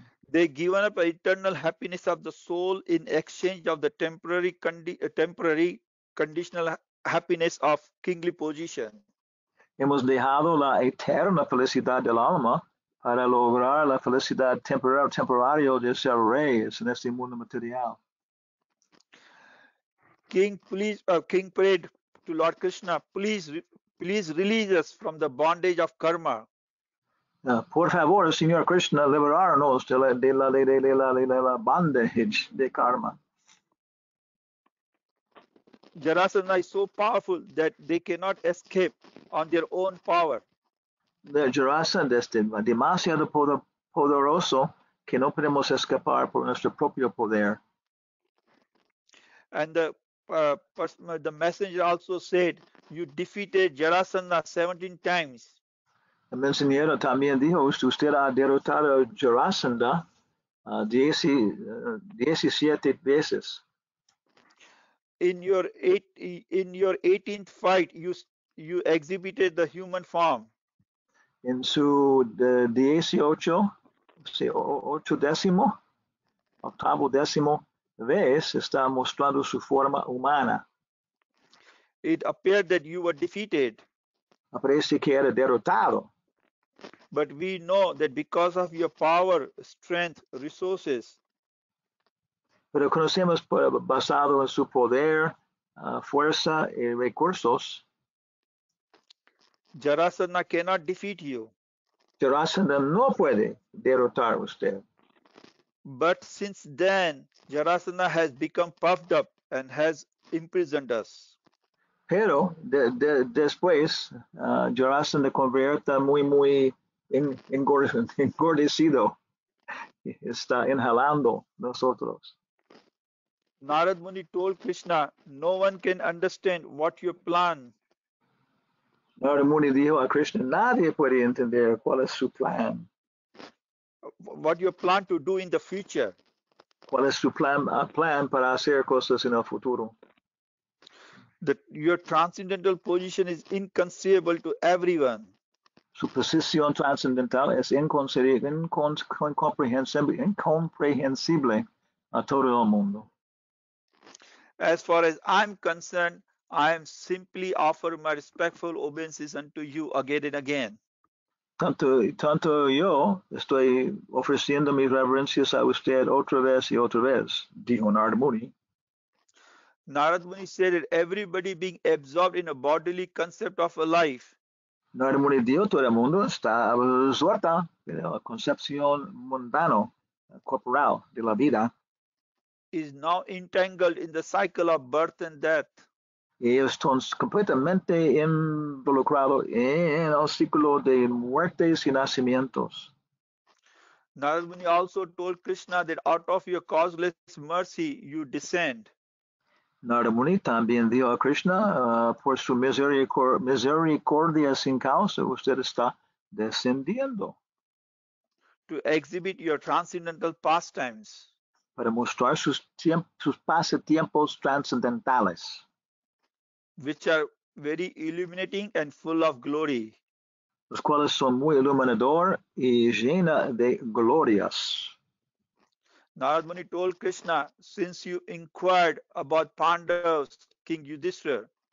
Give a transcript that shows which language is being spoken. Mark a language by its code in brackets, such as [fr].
[en] They given up eternal happiness of the soul in exchange of the temporary conditional happiness of kingly position. [es] Hemos dejado la eterna felicidad del alma para lograr la felicidad temporaria de ser reyes en este mundo material. [en] King prayed to Lord Krishna, please release us from the bondage of karma. [es] Por favor, Señor Krishna, liberarnos de la bondage de karma. [en] Jarasandha is so powerful that they cannot escape on their own power. [es] Jarasandha es demasiado poderoso que no podemos escapar por nuestro propio poder. [en] And the messenger also said, you defeated Jarasandha 17 times. [es] El mensajero también dijo, usted ha derrotado a Jarasandha 17 veces. [en] In your 18th fight, you exhibited the human form. [es] En su 18th vez está mostrando su forma humana. [en] It appeared that you were defeated. [es] Parece que era derrotado. [en] But we know that because of your power, strength, resources. [es] Pero conocemos basado en su poder, fuerza y recursos. [en] Jarasandha cannot defeat you. [es] Jarasandha no puede derrotar usted. [en] But since then, Jarasandha has become puffed up and has imprisoned us. [es] Pero después, Jarasandha convierte muy, muy engordecido. Está inhalando nosotros. [en] Narad Muni told Krishna, no one can understand what you plan. [es] Narad Muni dijo a Krishna, nadie puede entender cuál es su plan. [en] What you plan to do in the future. [es] ¿Cuál es tu plan para hacer cosas en el futuro? [en] Your transcendental position is inconceivable to everyone. [es] Su posición transcendental es incomprehensible a todo el mundo. [en] As far as I'm concerned, I am simply offer my respectful obeisances unto you again and again. [es] Tanto yo estoy ofreciendo mis reverencias a usted otra vez y otra vez, dijo Narad Muni. [en] Narad Muni said that everybody being absorbed in a bodily concept of a life. [es] Narad Muni dijo todo el mundo está absorta en la concepción mundano, corporal de la vida. [en] Is now entangled in the cycle of birth and death. [es] Y estamos completamente involucrados en el ciclo de muertes y nacimientos. [en] Narad Muni also told Krishna that out of your causeless mercy you descend. [es] Narad Muni también dijo a Krishna, por su misericordia sin causa, usted está descendiendo. [en] To exhibit your transcendental pastimes. [es] Para mostrar sus pasatiempos transcendentales. [en] Which are very illuminating and full of glory. [es] Los cuales son muy iluminador y llena de glorias. [en] Narad Muni told Krishna, since you inquired about Pandavas, King Yudhishthira.